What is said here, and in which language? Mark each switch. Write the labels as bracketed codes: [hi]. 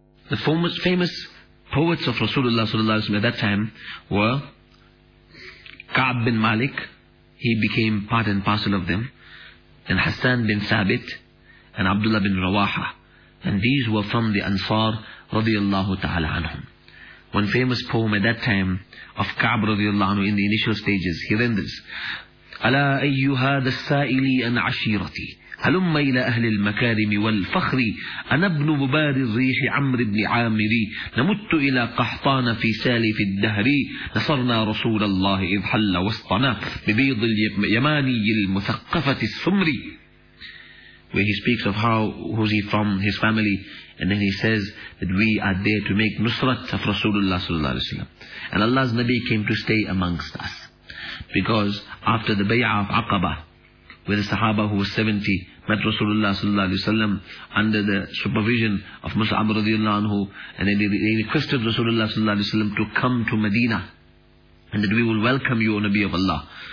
[en] The famous poets of Rasulullah sallallahu alaihi wasallam at that time were Ka'ab bin Malik. He became part and parcel of them. And Hassan bin Thabit and Abdullah bin Rawaha. And these were from the Ansar radiallahu ta'ala anhum. One famous poem at that time of Ka'ab radiallahu anhu in the initial stages, he renders, [ar] أَلَا أَيُّهَا ذَا السَّائِلِي أَنْ عَشِيرَتِي هَلُمَّ إِلَىٰ أَهْلِ الْمَكَارِمِ وَالْفَخْرِ أَنَا ابْنُ مُبَارِ الرِّيحِ عَمْرِ بْنِ عَامِرِي نَمُتُّ إِلَىٰ قَحْطَانَ فِي سَالِفِ الدَّهْرِي نَصَرْنَا رَسُولَ اللَّهِ إِذْ حَلَّ وَسْطَنَا بِبِيضِ الْيَمَانِي الْمُثَقَّفَةِ السُّمْرِي. [en] Where he speaks of how, who's he from, his family, and then he says that we are there to make nusrat of Rasulullah sallallahu alaihi wasallam. And Allah's Nabi came to stay amongst us. Because after the Bay'ah of Aqaba, where the Sahaba who was 70 met Rasulullah sallallahu alaihi wasallam under the supervision of Mus'ab radiallahu anhu, and then they requested Rasulullah sallallahu alaihi wasallam to come to Medina, and that we will welcome you, O Nabi of Allah.